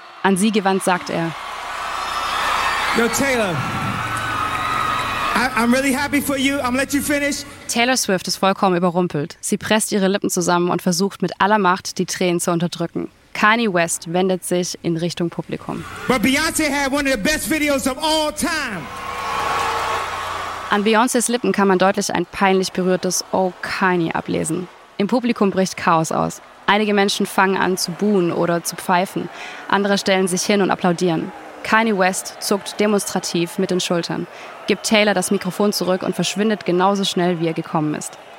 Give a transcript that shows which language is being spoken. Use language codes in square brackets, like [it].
[de] An sie gewandt sagt er: [en] Yo, Taylor. I'm really happy for you. I'm let you finish. [de] Taylor Swift ist vollkommen überrumpelt. Sie presst ihre Lippen zusammen und versucht mit aller Macht, die Tränen zu unterdrücken. Kanye West wendet sich in Richtung Publikum. [en] But Beyoncé had one of the best videos of all time. [de] An Beyoncés Lippen kann man deutlich ein peinlich berührtes Oh Kanye ablesen. Im Publikum bricht Chaos aus. Einige Menschen fangen an zu buhen oder zu pfeifen. Andere stellen sich hin und applaudieren. Kanye West zuckt demonstrativ mit den Schultern, gibt Taylor das Mikrofon zurück und verschwindet genauso schnell, wie er gekommen ist.